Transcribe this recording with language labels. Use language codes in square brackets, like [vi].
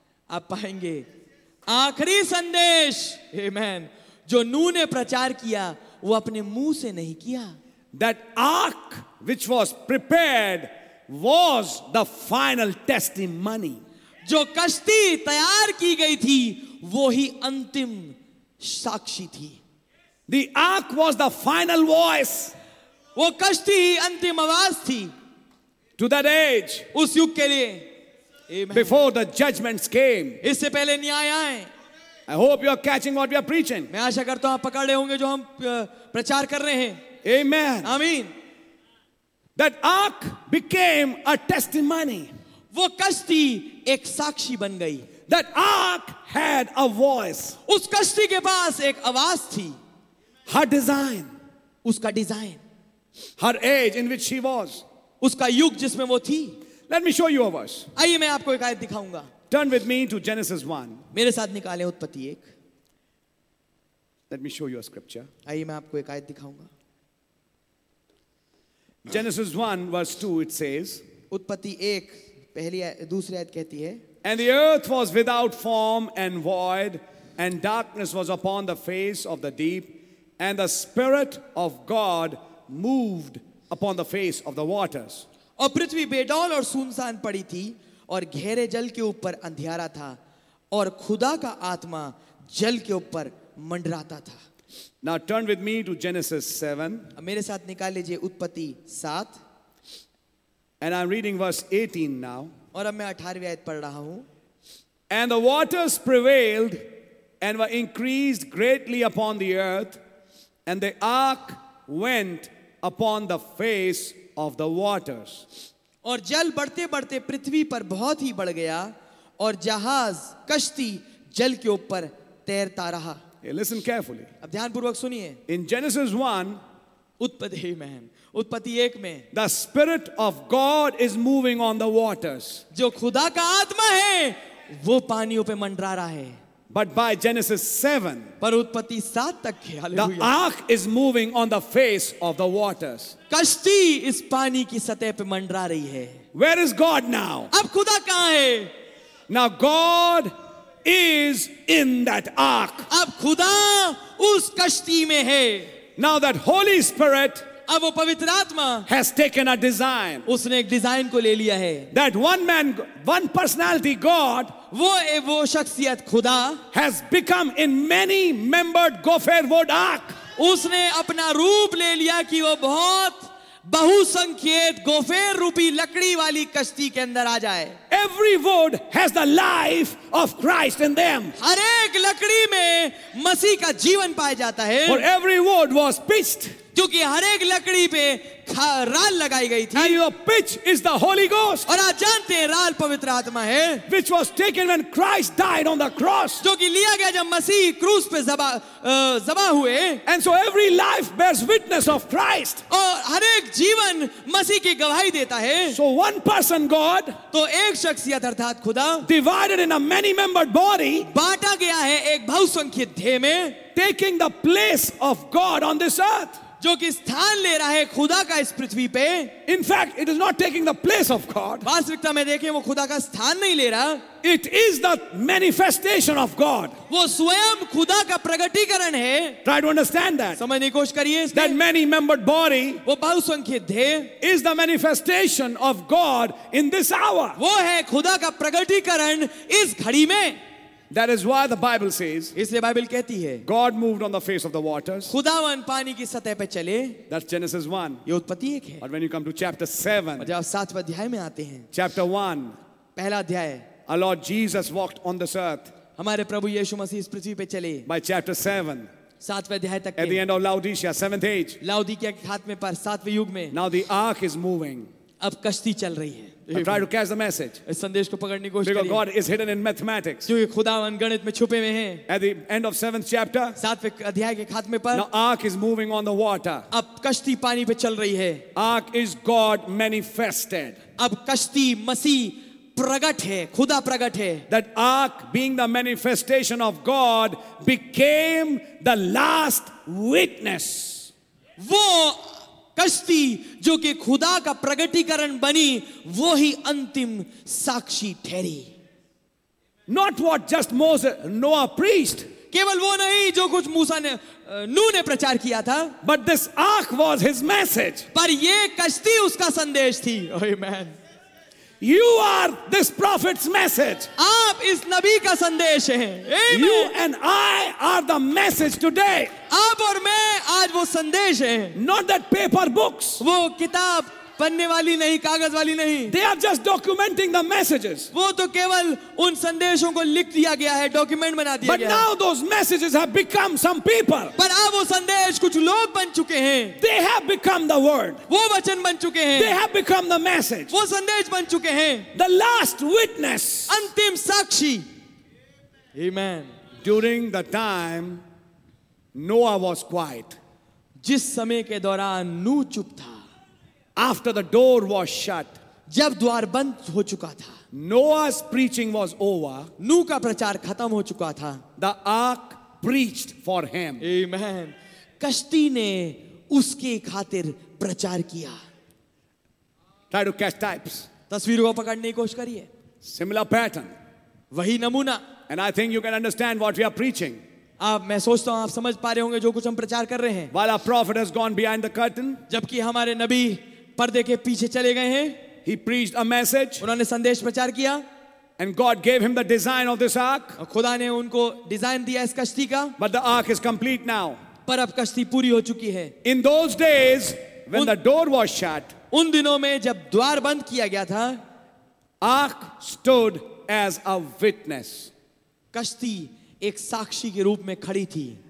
[hi] आप पाएंगे. आखिरी संदेश, amen, जो नूह ने प्रचार किया वो अपने मुंह से नहीं किया. [en] That ark which was prepared was the final testimony. [hi] जो कश्ती तैयार की गई थी वो ही अंतिम साक्षी थी. [en] The ark was the final voice. [hi] वो कश्ती ही अंतिम आवाज थी. [en] To that age. [hi] उस युग के लिए. [en] Before the judgments came. [hi] इससे पहले न्याय आए. [en] I hope you are catching what we are preaching. [hi] मैं आशा करता हूं आप पकड़ रहे होंगे जो हम प्रचार कर रहे हैं. [en] Amen. [hi] आमीन. [en] That ark became a testimony. [hi] वो कश्ती एक साक्षी बन गई. [en] That ark had a voice. [hi] उस कश्ती के पास एक आवाज थी. [en] Her design. [hi] उसका design. [en] Her age in which she was. [hi] उसका युग जिसमें वो थी. [en] Let me show you a verse. [hi] आइए मैं आपको एक आयत दिखाऊंगा. [en] Turn with me to Genesis 1. [hi] मेरे साथ निकालें उत्पत्ति एक. [en] Let me show you a scripture. [hi] आइए मैं आपको एक आयत दिखाऊंगा. [en] Genesis 1 verse 2 it says. [hi] उत्पत्ति एक पहली दूसरी आयत कहती है. [en] And the earth was without form and void, and darkness was upon the face of the deep, and the Spirit of God moved upon the face of the waters. [hi] और पृथ्वी बेडौल और सुनसान पड़ी थी और घेरे जल के ऊपर अंधियारा था और खुदा का आत्मा जल के ऊपर मंडराता था. [en] Now turn with me to Genesis 7. [hi] मेरे साथ निकाल लीजिए उत्पत्ति 7. [en] And I'm reading verse 18 now. [hi] और अब मैं 18वीं आयत पढ़ रहा हूं. [en] And the waters prevailed and were increased greatly upon the earth, and the ark went upon the face of the waters. [hi] और जल बढ़ते बढ़ते पृथ्वी पर बहुत ही बढ़ गया और जहाज कश्ती जल के ऊपर तैरता रहा. [en] Hey, listen carefully. [hi] अब ध्यानपूर्वक सुनिए. [en] In Genesis 1, [hi] उत्पत्ति एक में, [en] the Spirit of God is moving on the waters. [hi] जो खुदा का आत्मा है वो पानियों पे मंडरा रहा है. [en] But by Genesis 7, [hi] पर उत्पत्ति 7 तक के, [en] the ark is moving on the face of the waters. [hi] कश्ती इस पानी की सतह पे मंडरा रही है. [en] Where is God now? [hi] अब खुदा कहाँ है? [en] Now God is in that ark. [hi] अब खुदा उस कश्ती में है. [en] Now that Holy Spirit, [hi] अब वो पवित्र आत्मा, [en] has taken a design. [hi] उसने एक डिजाइन को ले लिया है. [en] That one man, one personality, God. [hi] वो शख्सियत खुदा, [en] has become in many membered gopher wood ark. [hi] उसने अपना रूप ले लिया कि वो बहुत बहुसंख्यक गोफेर रूपी लकड़ी वाली कश्ती के अंदर आ जाए. [en] Every wood has the life of Christ in them. [hi] हर एक लकड़ी में मसीह का जीवन पाया जाता है. [en] For every wood was pitched. [hi] क्योंकि हर एक लकड़ी पे राल लगाई गई थी. [en] And your pitch is the Holy Ghost. [hi] और आप जानते हैं राल पवित्र आत्मा है. [en] Which was taken when Christ died on the cross. [hi] जो कि लिया गया जब मसीह क्रूस पे जबा हुए. [en] And so every life bears witness of Christ. [hi] और हर एक जीवन मसीह की गवाही देता है. [en] So one person God. [hi] तो एक शख्सियत अर्थात खुदा. [en] Divided in a many-membered body. [hi] बांटा गया है एक बहुसंख्यक देह में. [en] Taking the place of God on this earth. [hi] जो कि स्थान ले रहा है खुदा का इस पृथ्वी पे. [en] In fact, it is not taking the place of God. [hi] वास्तविकता में देखें वो खुदा का स्थान नहीं ले रहा. [en] It is the manifestation of God. [hi] वो स्वयं खुदा का प्रगटीकरण है. [en] Try to understand that. [hi] समझने की कोशिश करिए. [en] That many-membered body. [hi] वो बहुसंख्यक देह. [en] Is the manifestation of God in this hour. [hi] वो है खुदा का प्रगटीकरण इस घड़ी में. [en] That is why the Bible says. [hi] इसलिए बाइबल कहती है. [en] God moved on the face of the waters. [hi] खुदावन पानी की सतह पे चले. [en] That's Genesis 1. [hi] ये उत्पत्ति एक है. [en] But when you come to chapter 7. [hi] जब आप सातवें अध्याय में आते हैं. [en] Chapter 1. [hi] पहला अध्याय. [en] Our Lord Jesus walked on this earth. [hi] हमारे प्रभु यीशु मसीह इस पृथ्वी पे चले. [en] By chapter 7. [hi] सातवें अध्याय तक. [en] At the end of Laodicea, seventh age. [hi] लौदीकिया के खात्मे पर सातवें युग में. [en] Now the ark is moving. [hi] अब कश्ती चल रही है. [en] I try to catch the message. [hi] इस संदेश को पकड़ने की कोशिश. [en] Because God is hidden in mathematics. [hi] क्योंकि खुदावन गणित में छुपे हुए हैं. [en] At the end of seventh chapter. [hi] सातवें अध्याय के खात्मे पर. [en] Now ark is moving on the water. [hi] अब कश्ती पानी पे चल रही है. [en] Ark is God manifested. [hi] अब कश्ती मसीह प्रगट है, खुदा प्रगट है. [en] That ark being the manifestation of God became the last witness. [hi] वो कश्ती जो कि खुदा का प्रगटीकरण बनी वो ही अंतिम साक्षी ठहरी. [en] Not what just Moses Noah priest. [hi] केवल वो नहीं जो कुछ मूसा ने नूह ने प्रचार किया था. [en] But this ark was his message. [hi] पर ये कश्ती उसका संदेश थी. आमेन. [en] You are this prophet's message. [hi] आप इस नबी का संदेश हैं. Amen. [en] You and I are the message today. [hi] आप और मैं आज वो संदेश हैं. [en] Not that paper books. [hi] वो किताब पन्ने वाली नहीं, कागज वाली नहीं. [en] They are just documenting the messages. [hi] वो तो केवल उन संदेशों को लिख दिया गया है, डॉक्यूमेंट बना दिया गया. [en] But now those messages have become some people. [hi] पर अब वो संदेश कुछ लोग बन चुके हैं. [en] They have become the word. [hi] वो वचन बन चुके हैं. [en] They have become the message. [hi] वो संदेश बन चुके हैं. [en] The last witness. [hi] अंतिम साक्षी. [en] Amen. During the time Noah was quiet. [hi] जिस समय के दौरान नूह चुप था. [en] After the door was shut, [hi] जब द्वार बंद हो चुका था, [en] Noah's preaching was over, [hi] नूह का प्रचार खत्म हो चुका था, [en] the ark preached for him. Amen. [hi] कश्ती ने उसके खातिर प्रचार किया. [en] Try to catch types. [hi] तस्वीरों को पकड़ने की कोशिश करिए. [en] Similar pattern. [hi] वही नमूना. [en] And I think you can understand what we are preaching. [hi] आप, मैं सोचता हूं आप समझ पा रहे होंगे जो कुछ हम प्रचार कर रहे हैं. [en] While our prophet has gone behind the curtain, [hi] जबकि हमारे नबी पर्दे के पीछे चले गए हैं. [en] He preached a message, [hi] उन्होंने संदेश प्रचार किया. [en] And God gave him the design of this ark, [hi] खुदा ने उनको डिजाइन दिया इस कश्ती का. [en] But the ark is complete now, [hi] पर अब कश्ती पूरी हो चुकी है. [en] In those days, when the door was shut, [hi] उन दिनों में जब द्वार बंद किया गया था, [en] ark stood as a witness, [hi] कश्ती एक साक्षी के रूप में खड़ी थी.